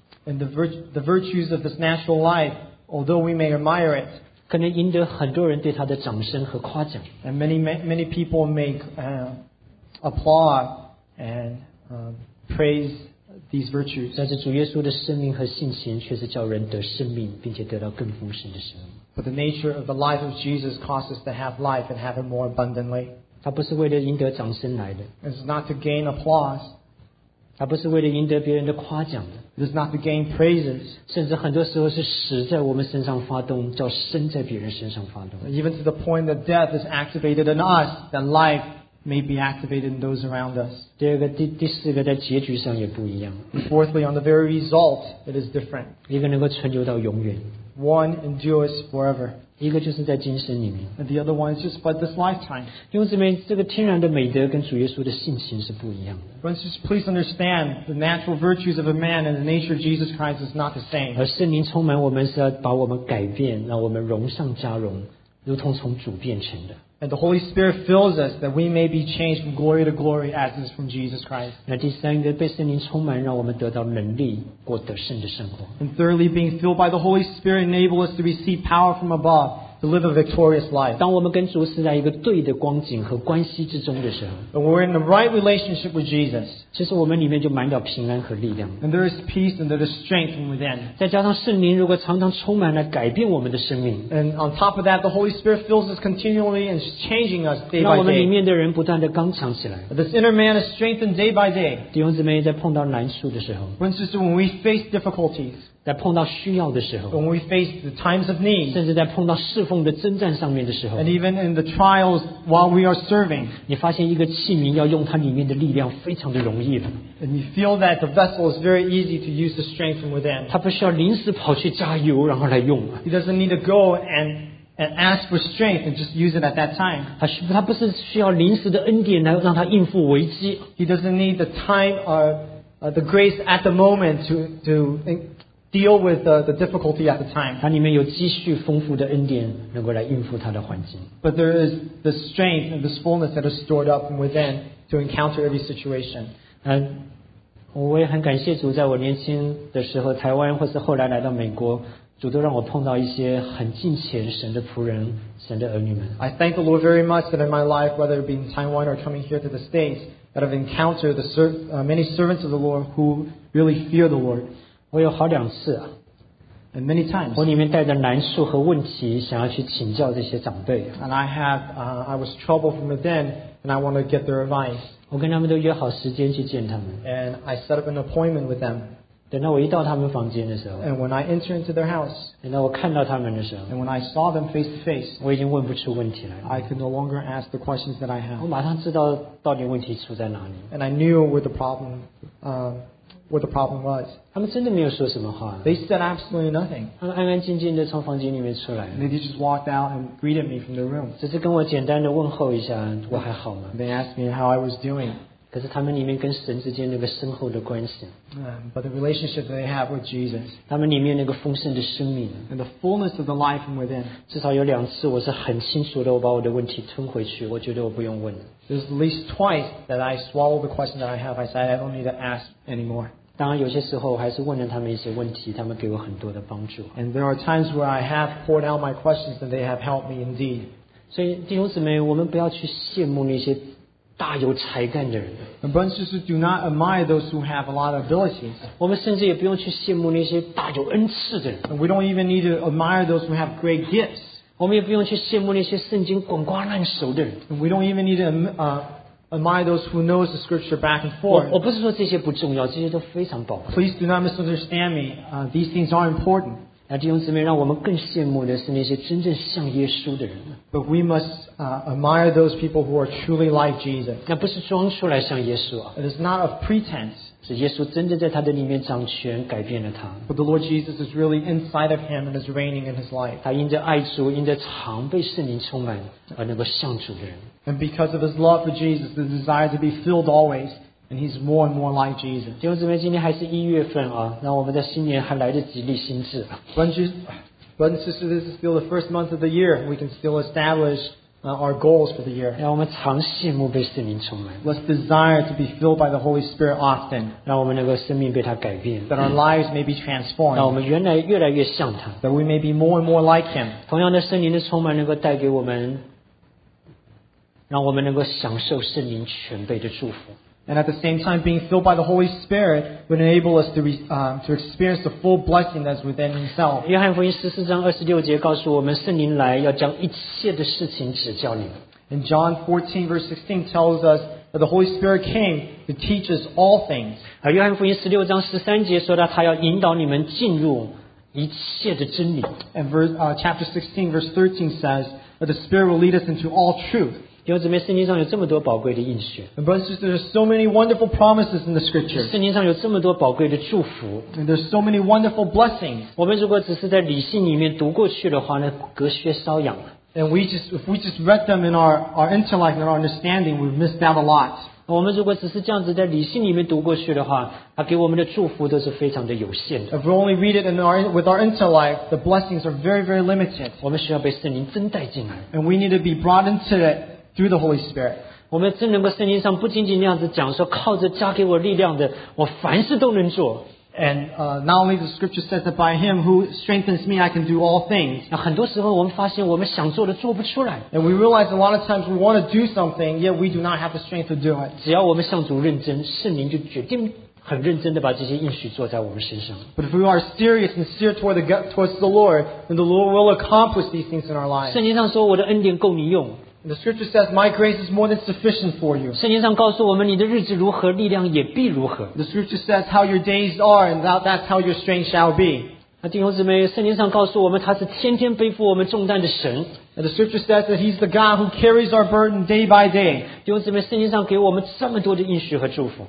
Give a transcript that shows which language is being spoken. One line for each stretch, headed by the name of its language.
English: And the virtues of this natural life, although we may admire it,
Chinese: 可能赢得很多人对它的掌声和夸奖。
English: And many people make applaud. And praise these virtues.
Chinese: 但是主耶稣的生命和性情却是叫人得生命，并且得到更丰盛的生命。
English: But the nature of the life of Jesus causes us to have life and have it more abundantly.
Chinese: 他不是为了赢得掌声来的。
English: It's not to gain applause.
Chinese: 他不是为了赢得别人的夸奖的。
English: It's not to gain praises.
Chinese: 甚至很多时候是死在我们身上发动，叫生在别人身上发动。
English: Even to the point that death is activated in us, that life. May be activated in those around us.
Chinese: 第二个，第四个，在结局上也不一样。
English: Fourthly, on the very result, it is different.
Chinese: 一个能够存留到永远。
English: One endures forever.
Chinese: 一个就是在今生里面。
English: And the other one is just by this lifetime.
Chinese: 弟兄姊妹，这个天然的美德跟主耶稣的性情是不一样的。
English: Brothers, just please understand the natural virtues of a man and the nature of Jesus Christ is not the same.
Chinese: 而圣灵充满我们是要把我们改变，让我们荣上加荣，如同从主变成的。
English: And the Holy Spirit fills us that we may be changed from glory to glory as is from Jesus Christ.
Chinese: 那第三个被圣灵充满让我们得到能力过得胜的生活。
English: And thirdly, being filled by the Holy Spirit enables us to receive power from above to live a victorious life.
Chinese: 当我们跟主是在一个对的光景和关系之中的时候。
English: And we're in the right relationship with Jesus.
Chinese: 其实我们里面就满了平安和力量。
English: And there is peace and there is strength from within.
Chinese: 再加上圣灵如果常常充满了改变我们的生命。
English: And on top of that, the Holy Spirit fills us continually and is changing us day by day.
Chinese: 让我们里面的人不断地刚强起来。
English: This inner man is strengthened day by day.
Chinese: 弟兄姊妹在碰到难处的时候。
English: When, sister, when we face difficulties,
Chinese: 在碰到需要的时候
English: when we face the times of need,
Chinese: 甚至在碰到侍奉的征战上面的时候
English: and even in the trials while we are serving,
Chinese: 你发现一个器皿要用它里面的力量非常的容易了
English: and you feel that the vessel is very easy to use the strength from within.
Chinese: 它不需要临时跑去加油然后来用
English: He doesn't need to go and ask for strength and just use it at that time.
Chinese: 它不是需要临时的恩典来让它应付危机
English: He doesn't need the time or the grace at the moment to deal with the difficulty at the time.
Chinese: 它里面有积蓄丰富的恩典，能够来应付它的环境。
English: But there is the strength and the fullness that is stored up from within to encounter every situation.
Chinese: 我也很感谢主，在我年轻的时候，台湾或是后来来到美国，主都让我碰到一些很敬虔神的仆人、神的儿女们。
English: I thank the Lord very much that in my life, whether it be in Taiwan or coming here to the States, that I've encountered the many servants of the Lord who really fear the Lord.
Chinese: 我有好两次啊
English: ，and many times，
Chinese: 我里面带着难处和问题，想要去请教这些长辈。
English: And I was troubled from within, and I want to get their advice.
Chinese: 我跟他们都约好时间去见他们。
English: And I set up an appointment with them.
Chinese: 等到我一到他们房间的时候
English: ，and when I enter into their house，
Chinese: 等到我看到他们的时候
English: ，and when I saw them face to face，
Chinese: 我已经问不出问题来了。
English: I could no longer ask the questions that I have.
Chinese: 我马上知道到底问题出在哪里。
English: And I knew where the problem what the problem was.
Chinese: 他们真的没有说什么话。
English: They said absolutely nothing.
Chinese: 他们安安静静地从房间里面出来。
English: And they just walked out and greeted me from the room.
Chinese: 只是跟我简单地问候一下，我还好吗？
English: They asked me how I was doing.
Chinese: 可是他们里面跟神之间那个深厚的关系。
English: But the relationship they have with Jesus.
Chinese: 他们里面那个丰盛的生命。
English: And the fullness of the life from within.
Chinese: 至少有两次我是很清楚地我把我的问题吞回去，我觉得我不用问。
English: There's at least twice that I swallowed the question that I have. I said I don't need to ask anymore.
Chinese: 当然，有些时候还是问了他们一些问题，他们给我很多的帮助。
English: And there are times where I have poured out my questions, and they have helped me indeed.
Chinese: 所以弟兄姊妹，我们不要去羡慕那些大有才干的人。
English: And brothers, do not admire those who have a lot of abilities.
Chinese: 我们甚至也不用去羡慕那些大有恩赐的人。
English: And we don't even need to admire those who have great gifts.
Chinese: 我们也不用去羡慕那些圣经滚瓜烂熟的人。
English: And we don't even need to admire those who know the scripture back and forth.
Chinese: 我不是说这些不重要，这些都非常宝贵。
English: Please do not misunderstand me. These things are important.
Chinese: 那弟兄姊妹，让我们更羡慕的是那些真正像耶稣的人。
English: But we must admire those people who are truly like Jesus.
Chinese: 那不是装出来像耶稣啊。
English: It is not a pretense.
Chinese: 是耶稣真正在他的里面掌权，改变了他。
English: But the Lord Jesus is really inside of him and is reigning in his life.
Chinese: 他因着爱主，因着常被圣灵充满而能够像主的人。
English: And because of his love for Jesus, the desire to be filled always, and he's more and more like Jesus.
Chinese: 弟兄姊妹，今天还是一月份啊，那我们在新年还来得及立心志。
English: Brothers and sisters, this is still the first month of the year. We can still establish our goals for the year.
Chinese: 让我们常羡慕被圣灵充满。
English: Let's desire to be filled by the Holy Spirit often.
Chinese: 让我们能够生命被他改变。
English: That our lives may be transformed.
Chinese: 让我们原来越来越像他。
English: That we may be more and more like him.
Chinese: 同样的，圣灵的充满能够带给我们。让我们能够享受圣灵全备的祝福。
English: And at the same time, being filled by the Holy Spirit would enable us to experience the full blessing that's within Himself.
Chinese: 约翰福音十四章二十六节告诉我们，圣灵来要将一切的事情指教你们。
English: And John 14 verse 16 tells us that the Holy Spirit came to teach us all things.
Chinese: 约翰福音十六章十三节说到，他要引导你们进入一切的真理。
English: And chapter 16 verse 13 says that the Spirit will lead us into all truth.
Chinese: 弟兄姊妹，圣经上有这么多宝贵的应许。
English: And brothers, there are so many wonderful promises in the scripture.
Chinese: 圣经上有这么多宝贵的祝福。
English: And there are so many wonderful blessings.
Chinese: 我们如果只是在理性里面读过去的话，那隔靴搔痒了。
English: And if we just read them in our intellect and our understanding, we've missed out a lot.
Chinese: 我们如果只是这样子在理性里面读过去的话，它给我们的祝福都是非常的有限的。
English: If we only read it in our, with our intellect, the blessings are very, very limited.
Chinese: 我们需要被圣灵真带进来。
English: And we need to be brought into it through the Holy Spirit.
Chinese: 我们真能够圣经上不仅仅那样子讲说，靠着加给我力量的，我凡事都能做。
English: And not only the scripture says that by him who strengthens me, I can do all things.
Chinese: 很多时候我们发现我们想做的做不出来。
English: And we realize a lot of times we want to do something, yet we do not have the strength to do it.
Chinese: 只要我们向主认真，圣灵就决定很认真地把这些应许做在我们身上。
English: But if we are serious and sincere towards the Lord, then the Lord will accomplish these things in our lives.
Chinese: 圣经上说我的恩典够你用。
English: And the scripture says, my grace is more than sufficient for you.
Chinese: 圣经上告诉我们你的日子如何力量也必如何。
English: The scripture says how your days are and that's how your strength shall be.
Chinese: 弟兄姊妹圣经上告诉我们他是天天背负我们重担的神。
English: And the scripture says that he's the God who carries our burden day by day.
Chinese: 弟兄姊妹圣经上给我们这么多的应许和祝福。